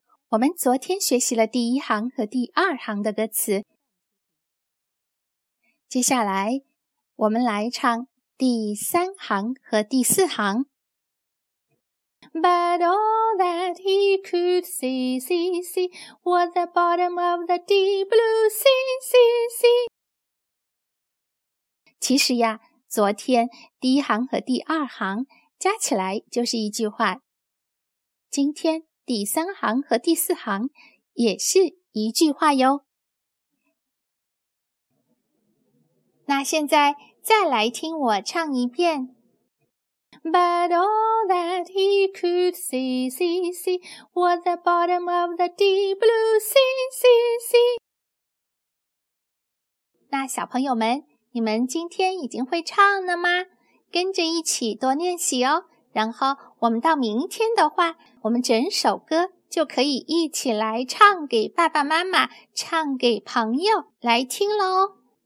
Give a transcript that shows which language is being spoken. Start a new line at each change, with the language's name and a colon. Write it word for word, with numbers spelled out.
Chinese: 我们昨天学习了第一行和第二行的歌词，接下来我们来唱第三行和第四行。
English: But all that he could see, see, see was the bottom of the deep blue sea, sea, sea。
Chinese: 其实呀，昨天第一行和第二行加起来就是一句话。今天第三行和第四行也是一句话哟。那现在再来听我唱一遍。
English: But all that he could see, see, see was the bottom of the deep blue sea, sea, sea。
Chinese: 那小朋友们，你们今天已经会唱了吗？跟着一起多练习哦。然后我们到明天的话，我们整首歌就可以一起来唱给爸爸妈妈，唱给朋友来听了哦。